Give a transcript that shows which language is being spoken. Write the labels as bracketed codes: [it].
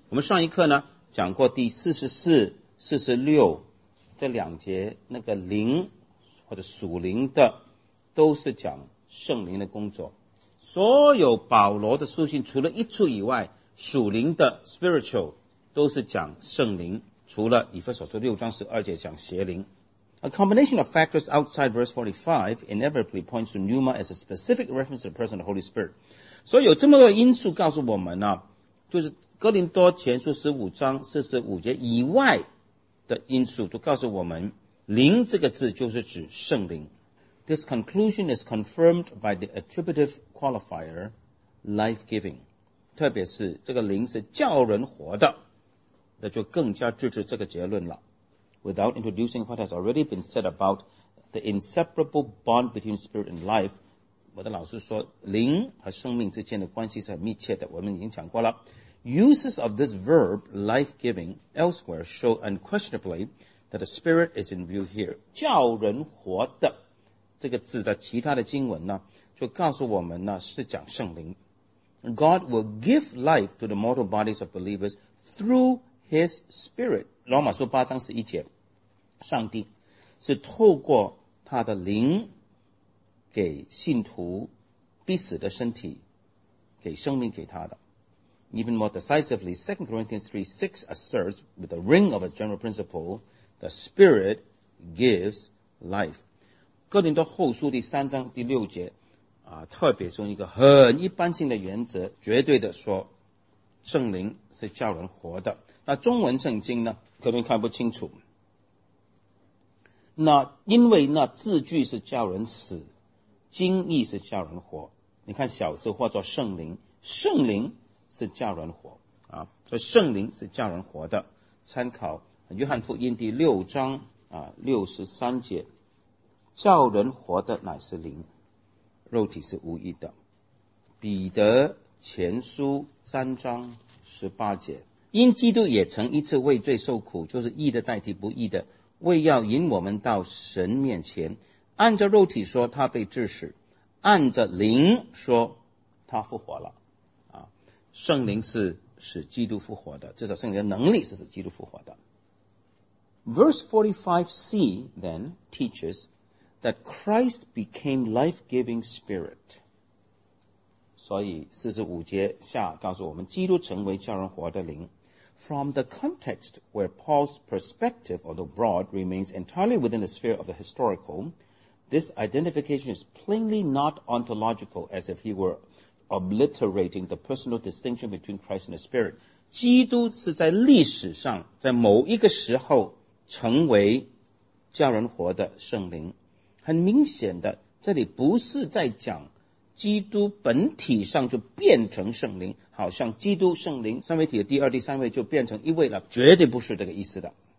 [zh] 我们上一课呢讲过第44、46这两节，那个灵或者属灵的都是讲圣灵的工作。所有保罗的书信除了一处以外，属灵的 spiritual 都是讲圣灵，除了以弗所书6:12讲邪灵。 [en] A combination of factors outside verse 45 inevitably points to pneuma as a specific reference to the person of the Holy Spirit. [zh] 所以有这么多因素告诉我们啊，就是哥林多前书15:45以外的因素都告诉我们，灵这个字就是指圣灵。 [en] This conclusion is confirmed by the attributive qualifier life-giving. [zh] 特别是这个灵是叫人活的，那就更加支持这个结论了。 [en] Without introducing what has already been said about the inseparable bond between spirit and life, [zh] 我的老师说灵和生命之间的关系是很密切的，我们已经讲过了。 [en] Uses of this verb, life-giving, elsewhere show unquestionably that the spirit is in view here. [zh] 叫人活的这个字在其他的经文呢，就告诉我们呢是讲圣灵。 [en] God will give life to the mortal bodies of believers through His spirit. [zh] 罗马书8:11，上帝是透过他的灵给信徒必死的身体，给生命给他的。 [en] Even more decisively, 2 Corinthians 3:6 asserts with the ring of a general principle, the Spirit gives life. [zh] 哥林多后书3:6啊，特别是用一个很一般性的原则，绝对的说，圣灵是叫人活的。那中文圣经呢可能看不清楚，那因为那字句是叫人死，经意是叫人活，你看小字化作圣灵，圣灵是叫人活啊，所以圣灵是叫人活的。参考约翰福音6:63，叫人活的乃是灵，肉体是无益的。彼得前书3:18，因基督也曾一次为罪受苦，就是义的代替不义的，为要引我们到神面前。按照肉体说他被致死，按着灵说他复活了啊。圣灵是使基督复活的，至少圣灵的能力是使基督复活的。 [en] Verse 45c then teaches that Christ became life-giving spirit. [zh] 所以45节下告诉我们基督成为叫人活的灵。 [en] From the context where Paul's perspective on the broad remains entirely within the sphere of the historical, this identification is plainly not ontological, as if he were obliterating the personal distinction between Christ and the Spirit. [zh] 基督是在历史上在某一个时候成为叫人活的圣灵。很明显的，这里不是在讲基督本体上就变成圣灵，好像基督圣灵三位体的第二第三位就变成一位了，绝对不是这个意思的。